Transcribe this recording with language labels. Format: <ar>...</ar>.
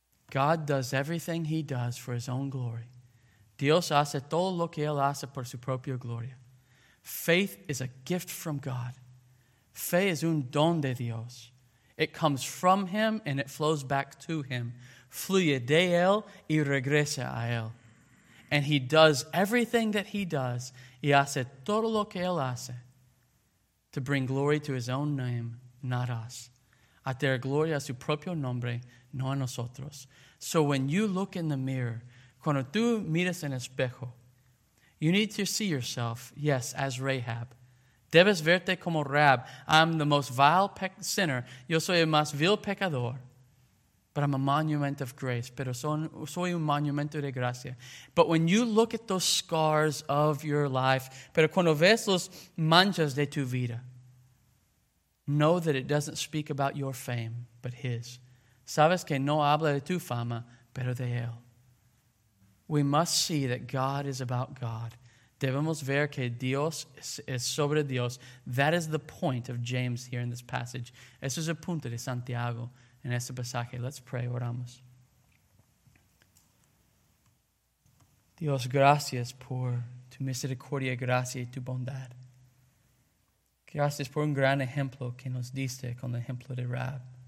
<en>God does everything he does for his own glory.</en> <es>Dios hace todo lo que él hace por su propia gloria.</es> <en>Faith is a gift from God.</en> <es>Fe es un don de Dios.</es> <en>It comes from him and it flows back to him.</en> <es>Fluye de él y regresa a él.</es> <en>And he does everything that he does</en> <es>y hace todo lo que él hace</es> <en>to bring glory to his own name, not us.</en> <es>A dar gloria a su propio nombre, no a nosotros.</es> <en>So when you look in the mirror,</en> <es>cuando tú miras en espejo,</es> <en>you need to see yourself, yes, as Rahab.</en> <es>Debes verte como Rahab.</es> <en>I'm the most vile sinner.</en> <es>Yo soy el más vil pecador.</es> <en>But I'm a monument of grace.</en> <es>Pero soy un monumento de gracia.</es> <en>But when you look at those scars of your life,</en> <es>pero cuando ves los manchas de tu vida,</es> <en>know that it doesn't speak about your fame, but his.</en> <es>Sabes que no habla de tu fama, pero de él.</es> <en>We must see that God is about God.</en> <es>Debemos ver que Dios es sobre Dios.</es> <en>That is the point of James here in this passage.</en> <es>Eso es el punto de Santiago en este pasaje.</es> <en>Let's pray,</en> <es>oramos. Dios, gracias por tu misericordia, gracia y tu bondad. Gracias por un gran ejemplo que nos diste con el ejemplo de Rab.</es>